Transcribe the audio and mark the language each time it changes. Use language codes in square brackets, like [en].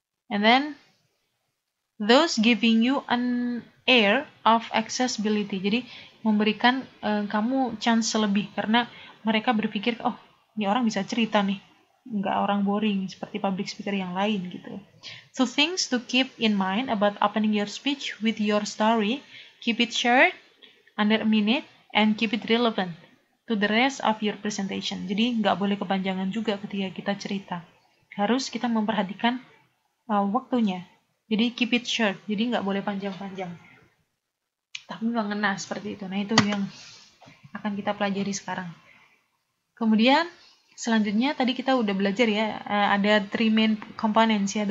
[en] And then thus giving you an air of accessibility. [id] Jadi memberikan kamu chance lebih karena mereka berpikir, oh, ini orang bisa cerita nih. Nggak orang boring seperti public speaker yang lain gitu. [en] So things to keep in mind about opening your speech with your story, keep it short, under a minute, and keep it relevant to the rest of your presentation. [id] Jadi nggak boleh kepanjangan juga ketika kita cerita. Harus kita memperhatikan waktunya. Jadi [en] keep it short, [id] jadi nggak boleh panjang-panjang. Tapi mengena seperti itu. Nah itu yang akan kita pelajari sekarang. Kemudian selanjutnya tadi kita udah belajar ya, ada [en] three main components [id] ya.